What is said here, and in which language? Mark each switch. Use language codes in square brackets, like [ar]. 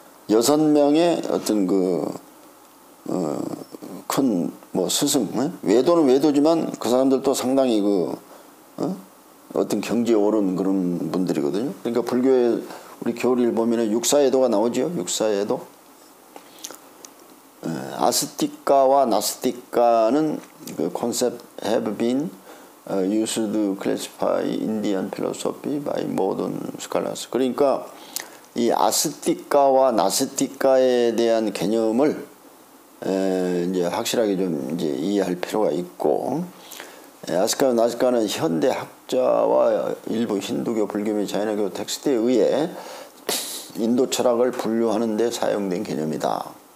[ko] 여섯 명의 어떤 그, 큰 뭐 스승, 네? 외도는 외도지만 그 사람들도 상당히 그, 어떤 경지에 오른 그런 분들이거든요. 그러니까 불교의 우리 교리를 보면 육사애도가 나오죠. 육사애도. 아스티카와 나스티카는 그 [en] concept have been used to classify Indian philosophy by modern scholars. [ko] 그러니까 이 아스티카와 나스티카에 대한 개념을 이제 확실하게 좀 이제 이해할 필요가 있고, 아스티카와 나스티카는 현대 학자와 일부 힌두교, 불교 및 자이나교 텍스트에 의해 인도 철학을 분류하는 데 사용된 개념이다.